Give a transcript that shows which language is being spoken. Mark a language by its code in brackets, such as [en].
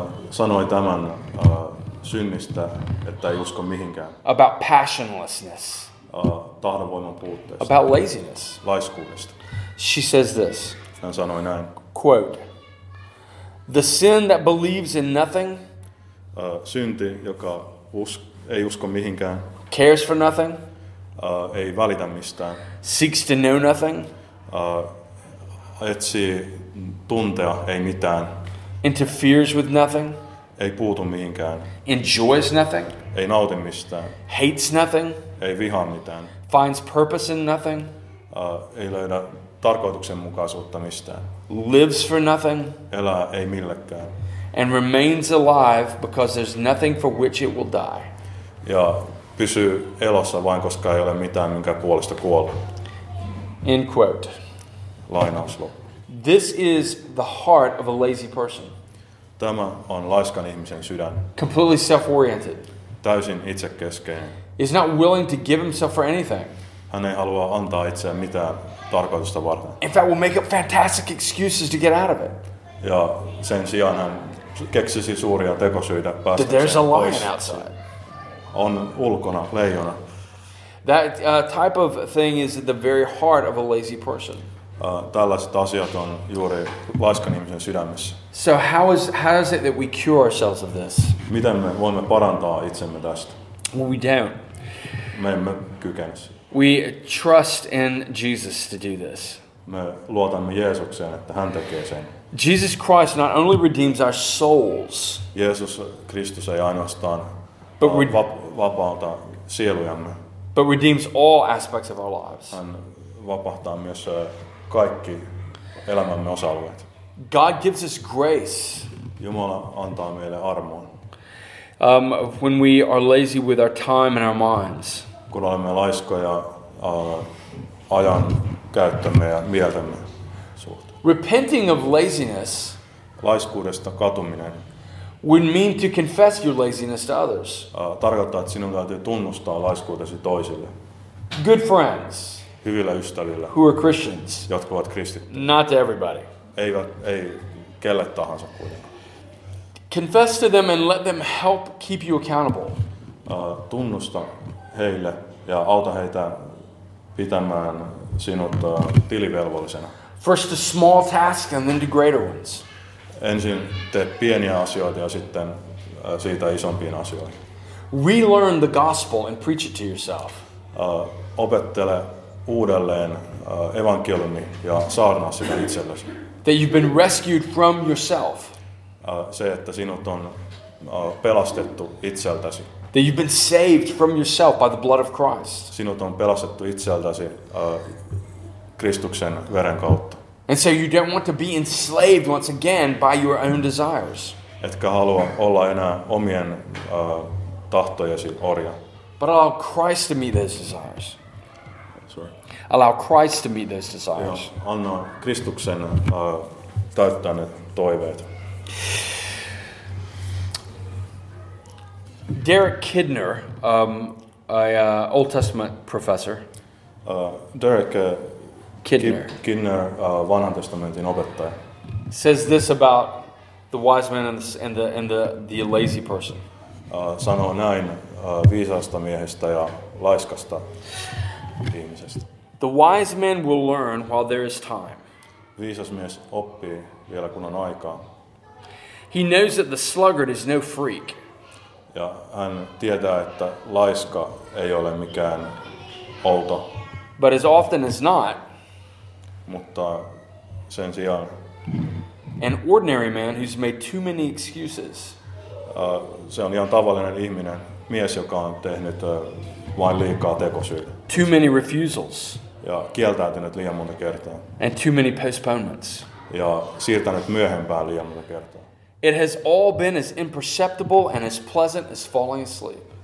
[fi] Sanoi tämän synnistä, että ei usko mihinkään. [en] About passionlessness. [fi] Tahdonvoiman puutteesta. [en] About laziness. [fi] Laiskuudesta. [en] She says this. [fi] Hän sanoi näin. [en] Quote. The sin that believes in nothing. [fi] Synti, joka ei usko mihinkään. [en] cares for nothing. [fi] Ei välitä mistään. [en] Seeks to know nothing. [fi] Etsii tuntea, ei mitään. [en] Interferes with nothing. [fi] Ei puutu mihinkään. [en] Enjoys nothing. [fi] Ei nauti mistään. [en] Hates nothing. [fi] Ei vihaa mitään. [en] Finds purpose in nothing. [fi] Ei löydä tarkoituksenmukaisuutta mistään. [en] Lives for nothing. [fi] Elää ei millekään. [en] And remains alive because there's nothing for which it will die. [fi] Ja pysyy elossa vain koska ei ole mitään minkä puolesta kuolla. [en] End quote. [fi] Lainausloppu. [en] This is the heart of a lazy person. [fi] Tämä on laiskan ihmisen sydän. [en] Completely self-oriented. [fi] Täysin itsekeskeinen. [en] He's not willing to give himself for anything. [fi] Hän ei halua antaa itseään mitään tarkoitusta varten. [en] In fact, we'll make up fantastic excuses to get out of it. [fi] Ja sen sijaan hän keksisi suuria tekosyitä päästä. [en] There's a lion outside. [fi] On ulkona leijona. [en] That type of thing is at the very heart of a lazy person. [fi] Tällaiset asiat on juuri laiskan ihmisen sydämessä. [en] So how is it that we cure ourselves of this? [fi] Miten me voimme parantaa itsemme tästä? [en] Well, we don't. [fi] Me emme kykene. [en] We trust in Jesus to do this. [fi] Me luotamme Jeesukseen, että hän tekee sen. [en] Jesus Christ not only redeems our souls. [fi] Jeesus Kristus ei ainoastaan vapauta sielujamme. [en] But redeems all aspects of our lives. [fi] Hän vapahtaa myös kaikki elämämme osa-alueet. [en] God gives us grace. [fi] Jumala antaa meille armoa. [en] When we are lazy with our time and our minds. [fi] Kun olemme laiskoja ajan käyttämme ja mieltämme suhteen. [en] Repenting of laziness. [fi] Laiskuudesta katuminen. [en] Would mean to confess your laziness to others. [fi] Tarkoittaa, että sinun täytyy tunnustaa laiskuutesi toisille. [en] Good friends. [fi] Hyvillä ystävillä. [en] Who are Christians. [fi] Jotka ovat kristittyjä. [en] Not to everybody. [fi] Ei kelle tahansa kuitenkaan. [en] Confess to them and let them help keep you accountable. [fi] Tunnusta heille ja auta heitä pitämään sinut tilivelvollisena. [en] First to small tasks and then to greater ones. [fi] Ensin tee pieniä asioita ja sitten siitä isompiin asioihin. [en] Relearn the gospel and preach it to yourself. [fi] Opettele uudelleen evankeliumi ja saarnaa sitä itsellesi. [en] That you've been rescued from yourself. [fi] Se, että sinut on pelastettu itseltäsi. [en] That you've been saved from yourself by the blood of Christ. [fi] Sinut on pelastettu itseltäsi Kristuksen veren kautta. [en] And so you don't want to be enslaved once again by your own desires. [fi] Etkä halua olla enää omien tahtojesi orja. [en] But allow Christ to meet those desires. Allow Christ to meet those desires. [fi] Anna Kristuksen täyttää ne toiveet. [en] Derek Kidner, a Old Testament professor. [fi] Derek Kidner, Vanhan testamentin opettaja. [en] Says this about the wise man and the lazy person. [fi] Sanoo näin viisaasta miehestä ja laiskasta ihmisestä. [en] The wise man will learn while there is time. [fi] Viisas mies oppii vielä kun on aikaa. [en] He knows that the sluggard is no freak. [fi] Ja hän tietää, että laiska ei ole mikään outo. [en] But as often as not. [fi] Mutta sen sijaan. [en] An ordinary man who's made too many excuses. [fi] Se on ihan tavallinen ihminen, mies, joka on tehnyt vain liikaa tekosyitä. [en] Too many refusals. [fi] Ja kieltäytynyt liian monta kertaa. [en] And too many postponements. [fi] Ja siirtänyt myöhempään liian monta kertaa. [en] It has all been as imperceptible and as pleasant as falling asleep.